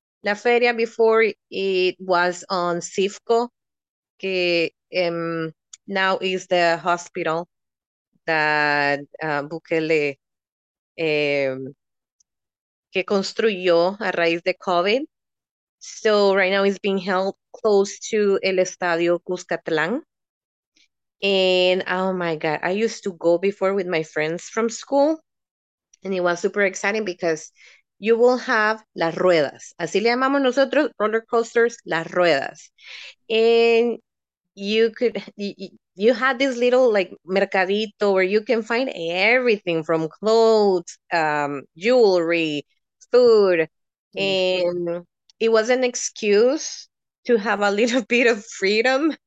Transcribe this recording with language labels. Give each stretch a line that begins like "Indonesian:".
Spanish: La feria,
English: before it was on CIFCO,
Spanish: que
English: now is the hospital that Bukele
Spanish: que construyó a raíz de
English: COVID. So right now it's being held close to el Estadio Cuscatlán. And oh my God, I used to go before with my friends from school, and it was super exciting because you will have
Spanish: las ruedas. Así le llamamos nosotros,
English: roller coasters,
Spanish: las ruedas.
English: And you had this little like mercadito where you can find everything from clothes, jewelry, food. Mm-hmm. And it was an excuse to have a little bit of freedom.